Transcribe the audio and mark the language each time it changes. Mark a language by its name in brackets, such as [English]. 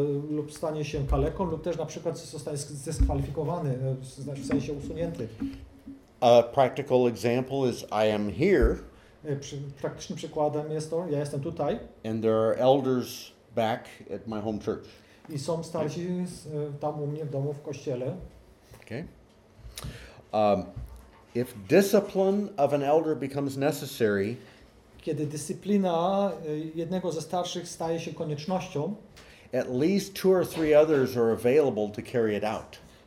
[Polish] Lub stanie się kaleką, lub też na przykład zostanie zdyskwalifikowany, w sensie usunięty. [English] A practical example is I am here. [Polish] Praktycznym przykładem jest to, ja jestem tutaj. [English] And there are elders back at my home church. [Polish] I są starsi tam u mnie w domu, w kościele. [English] Okay. If discipline of an elder becomes necessary, [Polish] kiedy dyscyplina jednego ze starszych staje się koniecznością, [English] at least two or three others are available to carry it out.